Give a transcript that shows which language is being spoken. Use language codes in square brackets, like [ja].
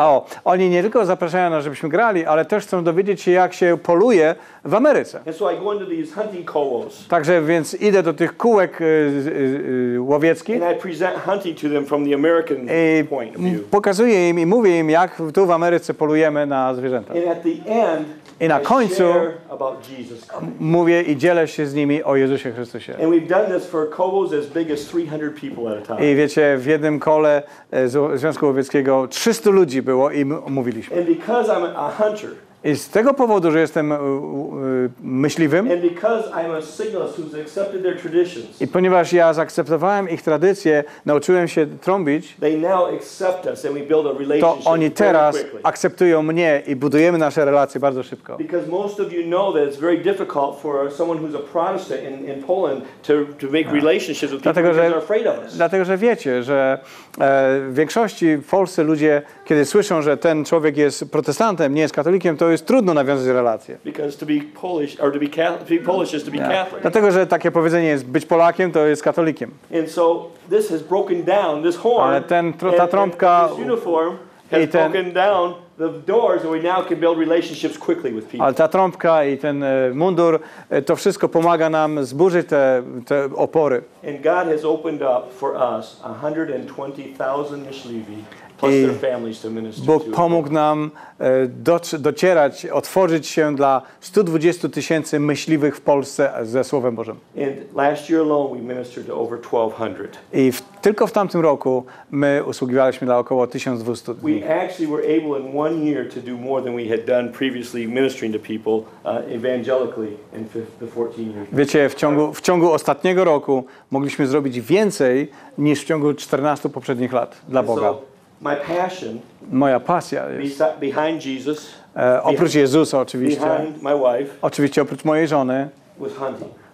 [pl] O, oni nie tylko zapraszają nas, żebyśmy grali, ale też chcą dowiedzieć się, jak się poluje w Ameryce. [en] And so I go into these hunting koos. [pl] Także więc idę do tych kółek łowieckich. [en] And I present hunting to them from the American point of view. [pl] Pokazuję im i mówię im, jak tu w Ameryce polujemy na zwierzęta. [en] And at the end. [pl] I na końcu [en] share about Jesus Christ. [pl] Mówię i dzielę się z nimi o Jezusie Chrystusie. [en] And we've done this for koos as big as 300 people at a time. [pl] I wiecie, w jednym kole Związku Łowieckiego 300 ludzi było i mówiliśmy. [en] And because I'm a hunter. [pl] I z tego powodu, że jestem myśliwym. [en] And because I'm a signalist who's accepted their traditions. [pl] I ponieważ ja zaakceptowałem ich tradycje, nauczyłem się trąbić. [en] They now accept us and we build a relationship. [pl] To oni teraz akceptują mnie i budujemy nasze relacje bardzo szybko. [en] Because most of you know that it's very difficult for someone who's a Protestant in Poland to make relationships with people because they're afraid of us. [pl] Dlatego, że wiecie, że w większości w Polsce ludzie, kiedy słyszą, że ten człowiek jest protestantem, nie jest katolikiem, to jest trudno nawiązać relacje. [en] Because to be Polish or to be Polish is to be Catholic. [pl] Dlatego, że takie powiedzenie jest być Polakiem, to jest katolikiem. [en] And so this has broken down this horn. [pl] Ale ta trąbka [en] broken down the doors and we now can build relationships quickly with people. [pl] Ale ta trąbka i ten mundur to wszystko pomaga nam zburzyć te opory. [en] And God has opened up for us 120,000 myśliwi. I families to minister [pl] Bóg [en] to [pl] pomógł nam docierać, otworzyć się dla 120 tysięcy myśliwych w Polsce ze Słowem Bożym. [en] And last year alone we ministered to over 1200. [pl] I tylko w tamtym roku my usługiwaliśmy dla około 1200. [en] We actually were able in one year to do more than we had done previously ministering to people evangelically in the 14 years. [pl] Wiecie, w ciągu ostatniego roku mogliśmy zrobić więcej niż w ciągu 14 poprzednich lat dla Boga. [en] My passion, [pl] moja pasja jest [en] behind Jesus, [pl] oprócz Jezusa oczywiście, [en] behind my wife, [pl] oczywiście oprócz mojej żony, [en] was hunting.